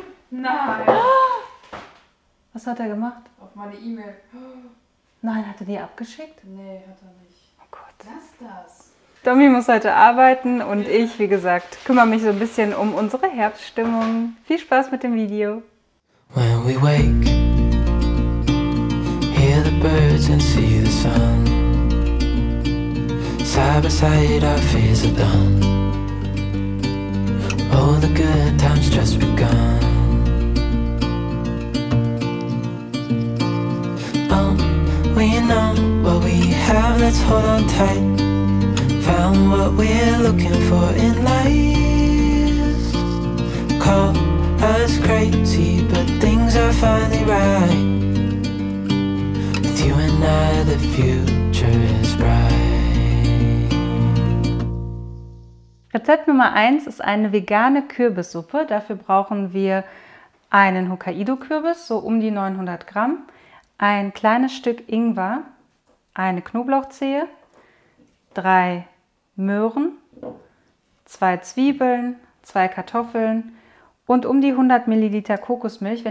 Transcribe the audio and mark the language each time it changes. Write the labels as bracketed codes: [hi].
[de] Nein! Was hat er gemacht? Auf meine E-Mail. Nein, hat er die abgeschickt? Nee, hat er nicht. Oh Gott. Was ist das? Domi muss heute arbeiten und ich, wie gesagt, kümmere mich so ein bisschen um unsere Herbststimmung. Viel Spaß mit dem Video. [en] When we wake, hear the birds and see the sun. Side by side our fears are done. All the good times just begun. We know what we have, let's hold on tight. Found what we're looking for in life. Call us crazy, but things are finally right. With you and I, the future is bright. [de] Rezept Nummer 1 ist eine vegane Kürbissuppe. Dafür brauchen wir einen Hokkaido-Kürbis, so um die 900 Gramm. Ein kleines Stück Ingwer, eine Knoblauchzehe, 3 Möhren, 2 Zwiebeln, 2 Kartoffeln und um die 100 Milliliter Kokosmilch.